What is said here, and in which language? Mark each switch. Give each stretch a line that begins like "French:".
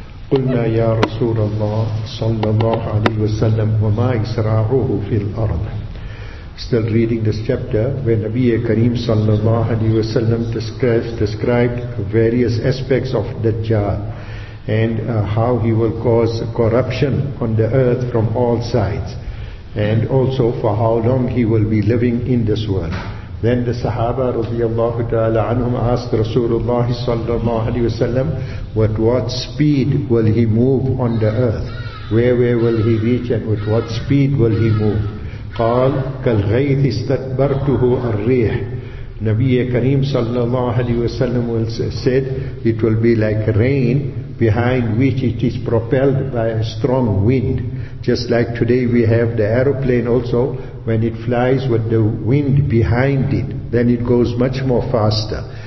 Arabic: قلنا يا رسول الله صلى الله عليه وسلم وما إسراعه في الأرض.
English: Still reading this chapter where Nabi Kareem صلى الله عليه وسلم described various aspects of Dajjal and how he will cause corruption on the earth from all sides, and also for how long he will be living in this world. Then the Sahaba radiallahu ta'ala anhum asked Rasulullah sallallahu alayhi wasallam, with what speed will he move on the earth? Where will he reach and with what speed will he move?
Arabic: قال كالغيث استدبرته الريح.
English: Nabi Kareem sallallahu alayhi wasallam said, it will be like rain behind which it is propelled by a strong wind. Just like today we have the aeroplane also, when it flies with the wind behind it, then it goes much more faster.